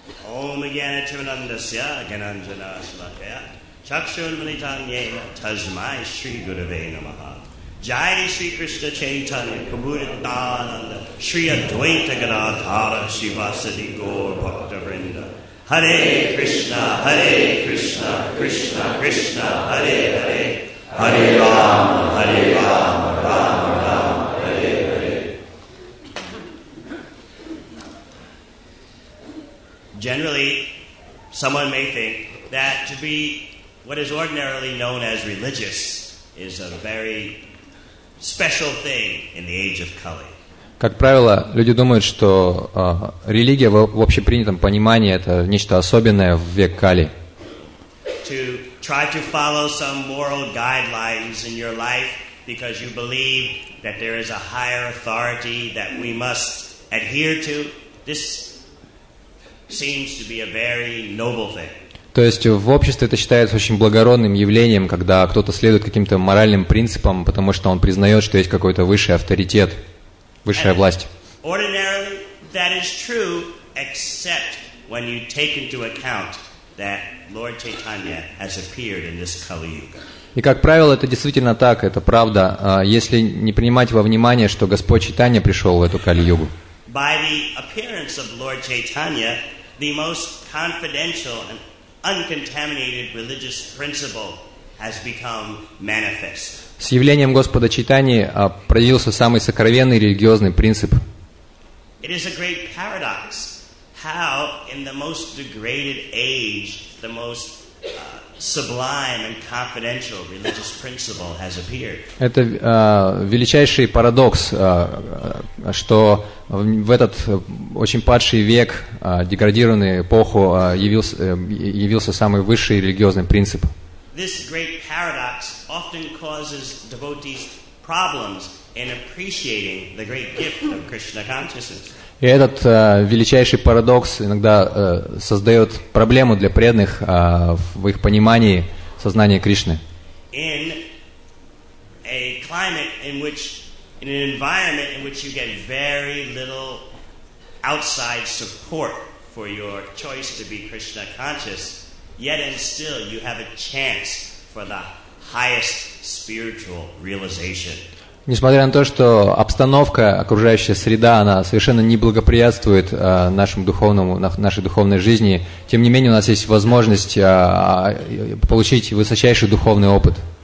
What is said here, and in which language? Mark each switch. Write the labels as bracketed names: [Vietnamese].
[Sanskrit] Ом Агьянатюнандасья Агьянанджана Шлакая Чакшун Манитаньена Тазмай Шри Гураве Намаха Джай Шри Кришна Чайтанья Кабуритананда Шри Адвайта Гададхара Шри Васади Гор Бхактавринда Харе Кришна, Харе Кришна, Кришна Кришна, Харе Харе Hare Rama, Hare Rama, Rama Rama, Hare Hare. [English] Generally, someone may think that to be what is ordinarily known as religious is a very special thing in the age of Kali. [Russian] Как правило, люди думают, что религия в общепринятом понимании это нечто особенное в век Кали. [English] to try to follow some moral guidelines in your life because you believe that there is a higher authority that we must adhere to. This seems to be a very noble thing. [Russian] То есть в обществе это считается очень благородным явлением, когда кто-то следует каким-то моральным принципам, потому что он признает, что есть какой-то высший авторитет, высшая власть. И как правило, это действительно так, это правда, если не принимать во внимание, что Господь Чайтанья пришел в эту Кали-Югу. [English] By the appearance of Lord Chaitanya, the most confidential and uncontaminated religious principle has become manifest. [Russian] С явлением Господа Чайтаньи проявился самый сокровенный религиозный принцип. [English] It is a great paradox how in the most degraded age the most sublime and confidential religious principle has appeared. [Russian] Это величайший парадокс, что в этот очень падший век, деградированную эпоху, явился самый высший религиозный принцип. [English] This great paradox often causes devotees problems in appreciating the great gift of Krishna consciousness. [Russian] И этот величайший парадокс иногда создает проблему для преданных в их понимании сознания Кришны. [English] In a climate in which, in an environment in which you get very little outside support for your choice to be Krishna conscious, yet and still you have a chance for the highest spiritual realization. [Russian] Несмотря на то, что обстановка, окружающая среда, она совершенно не благоприятствует нашей духовной жизни, тем не менее у нас есть возможность получить высочайший духовный опыт.